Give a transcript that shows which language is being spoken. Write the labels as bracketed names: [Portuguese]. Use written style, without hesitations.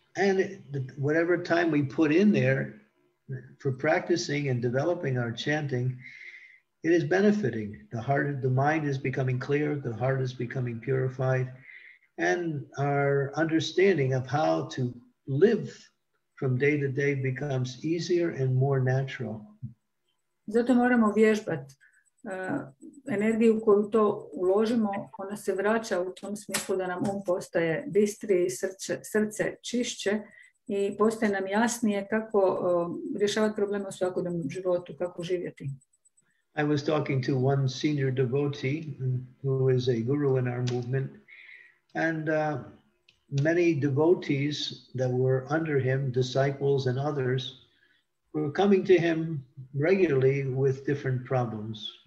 [English] And whatever time we put in there for practicing and developing our chanting, it is benefiting. The mind is becoming clear, the heart is becoming purified, and our understanding of how to live from day to day becomes easier and more natural. [Croatian] Zato moramo vježbati. Energiju koju to uložimo, ona se vraća u tom smislu da nam postaje bistriji, srce čišće I postaje nam jasnije kako rješavati probleme u svakodnevnom životu, kako živjeti. [English] I was talking to one senior devotee who is a guru in our movement, and many devotees that were under him, disciples and others, were coming to him regularly with different problems.